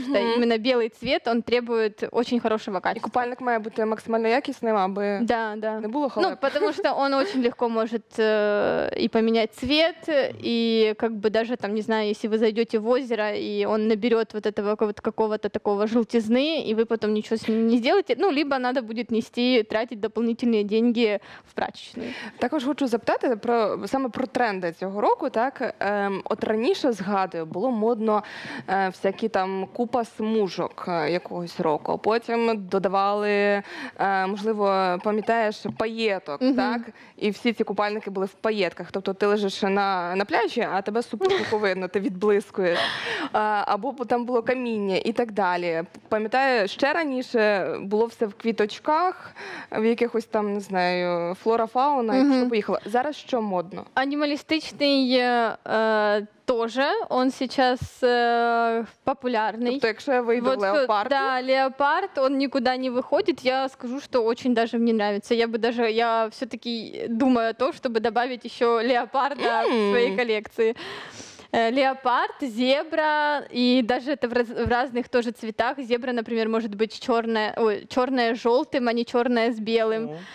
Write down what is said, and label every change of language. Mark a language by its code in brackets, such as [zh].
[ru] что именно белый цвет, он требует очень хорошего качества. [uk] И купальник має бути максимально якісним, аби да, да. не було халепи. [ru] Ну, потому что он очень легко может и поменять цвет, и как бы даже там, не знаю, если вы зайдете в озеро, и он наберет вот этого вот какого-то такого желтизны, и вы потом ничего с ним не сделаете, ну, либо надо будет нести, тратить дополнительные деньги в прачечную. [uk] Також хочу запитати про, саме про тренди цього року, так, от раніше згадую, було модно всякі там купа смужок якогось року. Потім додавали, можливо, пам'ятаєш, пайеток, угу. так? І всі ці купальники були в пайетках. Тобто ти лежиш на пляжі, а тебе супутнику видно, ти відблискуєш. Або там було каміння і так далі. Пам'ятаю, ще раніше було все в квіточках, в якихось там, не знаю, флора-фауна, угу. що поїхала. Зараз що модно? [ru] Анімалістичний тоже он сейчас популярный. [uk] Тобто, якщо я вийду вот, в леопарду. [ru] Да, леопард, он никуда не выходит. Я скажу, что очень даже мне нравится. Я все-таки думаю о том, чтобы добавить еще леопарда в своей коллекции. Леопард, зебра, и даже это в разных тоже цветах. Зебра, например, может быть черная с желтым, а не черная с белым.